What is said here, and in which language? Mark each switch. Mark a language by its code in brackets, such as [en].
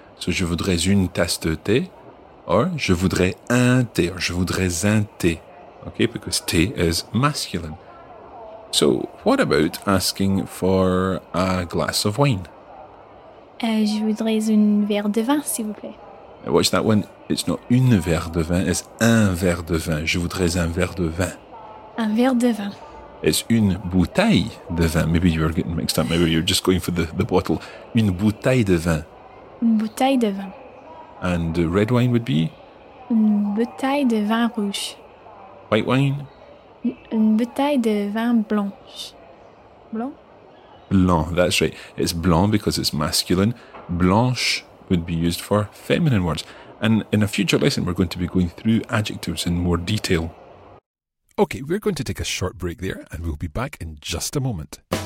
[fr] So je voudrais une tasse de thé. Or je voudrais un thé. Or je voudrais un thé. [en] Okay, because thé is masculine. So what about asking for a glass of wine? [fr] Je voudrais un verre de vin, s'il vous plaît. [en] Watch that one. It's not [fr] une verre de vin, it's un verre de vin. Je voudrais un verre de vin. Un verre de vin. It's une bouteille de vin. [en] Maybe you were getting mixed up. Maybe you're just going for the bottle. [fr] Une bouteille de vin. Une bouteille de vin. [en] And the red wine would be? [fr] Une bouteille de vin rouge. [en] White wine? [fr] Une bouteille de vin blanche. Blanc? [en] Blanc, that's right. It's blanc because it's masculine. Blanche would be used for feminine words. And in a future lesson, we're going to be going through adjectives in more detail. Okay, we're going to take a short break there, and we'll be back in just a moment.